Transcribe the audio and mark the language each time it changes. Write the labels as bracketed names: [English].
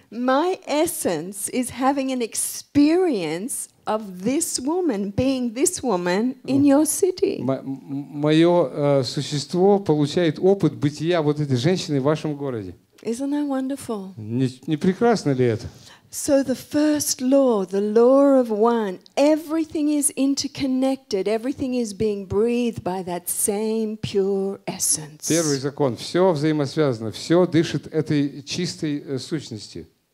[English] My essence is having an experience of this woman, being this woman in your city. [Russian] Мое существо получает опыт бытия вот этой женщины в вашем городе. [English] Isn't that wonderful? [Russian] Не прекрасно ли это? [English] So the first law, the law of one, everything is interconnected, everything is being breathed by that same pure essence. [Russian] Первый закон, все взаимосвязано, все дышит этой чистой сущности.